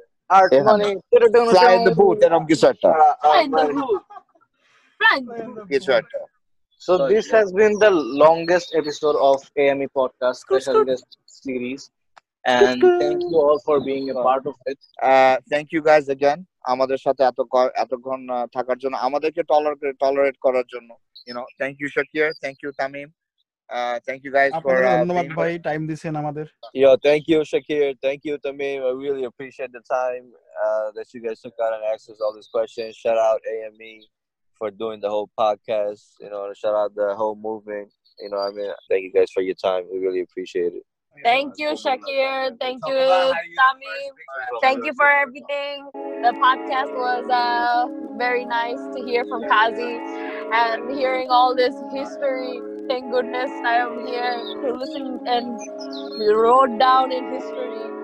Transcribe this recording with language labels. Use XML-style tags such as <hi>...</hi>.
<en>Art Money. Fly in the boot and I'm Gisata. Fly in the boot. Gisata. So this has been the longest episode of AME Podcast Special Guest Series. And thank you all for being a part of it. Thank you guys again.</en> <bn>আমাদের সাথে এতক্ষণ থাকার জন্য আমাদেরকে tolerate করার জন্য</bn> <en>thank you Shakir, thank you Tamim, thank you guys for</en> <bn>ধন্যবাদ ভাই টাইম দিছেন আমাদের.</bn> <en>Yo thank you Shakir, thank you Tamim, I really appreciate the time that you guys took out and access all this questions. Shout out AME for doing the whole podcast, shout out the whole movement, I mean thank you guys for your time, we really appreciate it. Thank you, Shakir. Thank you, Tamim. Thank you for everything. The podcast was very nice to hear from Kazi and hearing all this history. Thank goodness I am here to listen and be wrote down in history.</en>